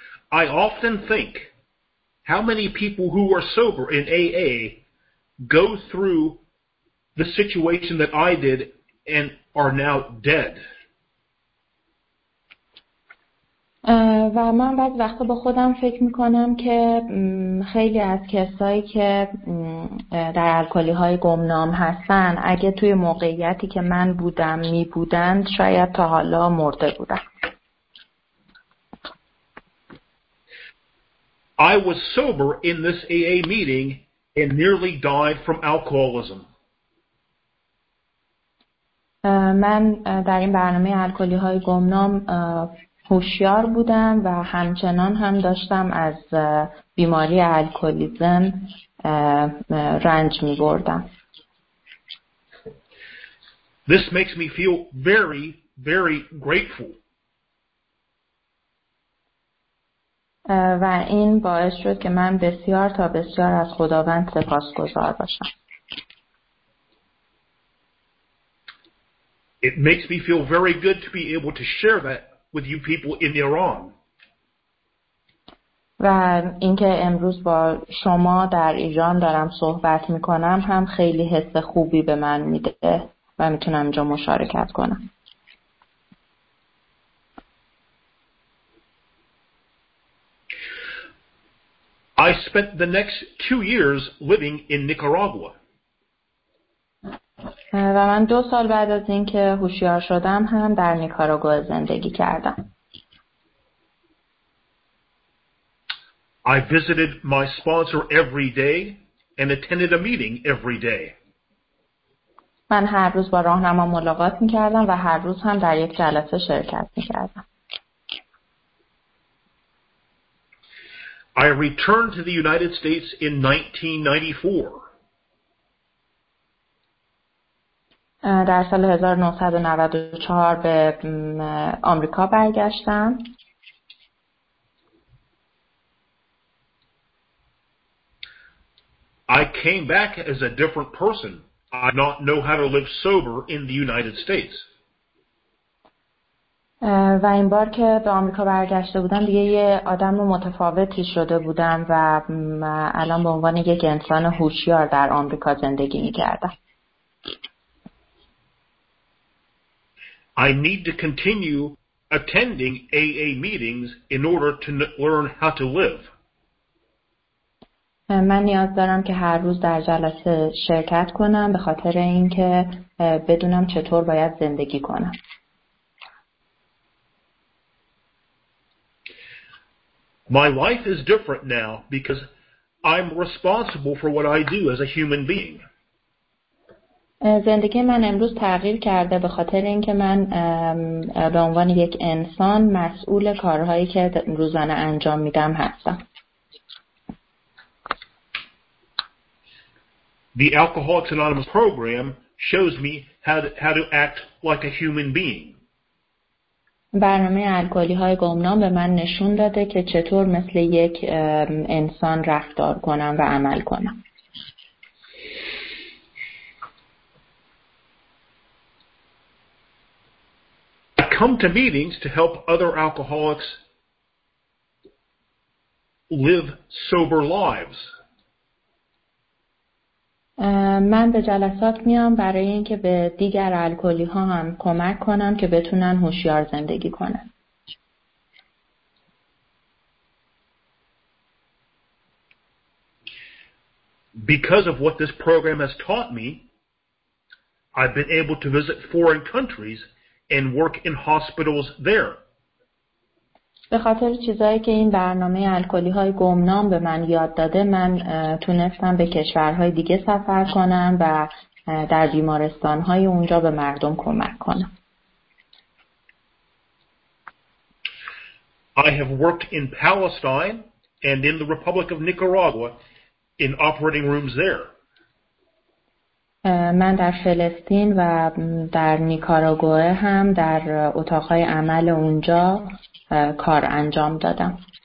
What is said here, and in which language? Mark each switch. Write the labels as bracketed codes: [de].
[en] I often think how many people who are sober in AA go through the situation that I did and are now dead. [fa] و من بعد وقتا با خودم فکر میکنم که خیلی از کسایی که در الکلی های گمنام هستن اگه توی موقعیتی که من بودم میبودند شاید تا حالا مرده بودن. [en] I was sober in this AA meeting and nearly died from alcoholism. [fa] من در این برنامه الکلی های گمنام هوشیار بودم و همچنان هم داشتم از بیماری الکلیسم رنج می بردم. [en] This makes me feel very, very grateful. [fa] و این باعث شد که من بسیار تا بسیار از خداوند سپاسگزار باشم. [en] It makes me feel very good to be able to share that with you people in Iran. [fa] و اینکه امروز با شما در ایران دارم صحبت میکنم هم خیلی حس خوبی به من میده و میتونم اینجا مشارکت کنم. [en] I spent the next 2 years living in Nicaragua. [fa] و من 2 سال بعد از اینکه هوشیار شدم هم در نیکاراگوا زندگی کردم. [en] I visited my sponsor every day and attended a meeting every day. [fa] من هر روز با راهنما ملاقات می‌کردم و هر روز هم در یک جلسه شرکت می‌کردم. [en] I returned to the United States in 1994. [fa] در سال 1994 به آمریکا برگشتم. [en] I came back as a different person. I did not know how to live sober in the United States. [fa] و این بار که به آمریکا برگشته بودم دیگه یه آدم متفاوتی شده بودم و الان به عنوان یک انسان هوشیار در آمریکا زندگی می‌کردم. [en] I need to continue attending AA meetings in order to learn how to live. [fa] من نیاز دارم که هر روز در جلسه شرکت کنم به خاطر اینکه بدونم چطور باید زندگی کنم. [en] My life is different now because I'm responsible for what I do as a human being. [fa] زندگی من امروز تغییر کرده به خاطر اینکه من به عنوان یک انسان مسئول کارهایی که روزانه انجام میدم هستم. [en] The Alcoholics Anonymous program shows me how to act like a human being. [fa] برنامه الکلی های گمنام به من نشون داده که چطور مثل یک انسان رفتار کنم و عمل کنم. [en] I come to meetings to help other alcoholics live sober lives. [fa] من به جلسات میام برای اینکه به دیگر الکلی ها هم کمک کنم که بتونن هوشیار زندگی کنن. [en] Because of what this program has taught me, I've been able to visit foreign countries and work in hospitals there. [fa] به خاطر چیزایی که این برنامه الکلی های گمنام به من یاد داده من تونستم به کشورهای دیگه سفر کنم و در بیمارستان های اونجا به مردم کمک کنم. [en] I have worked in Palestine and in the Republic of Nicaragua in operating rooms there. [fa] من در فلسطین و در نیکاراگوئه هم در اتاقهای عمل اونجا کار انجام دادم.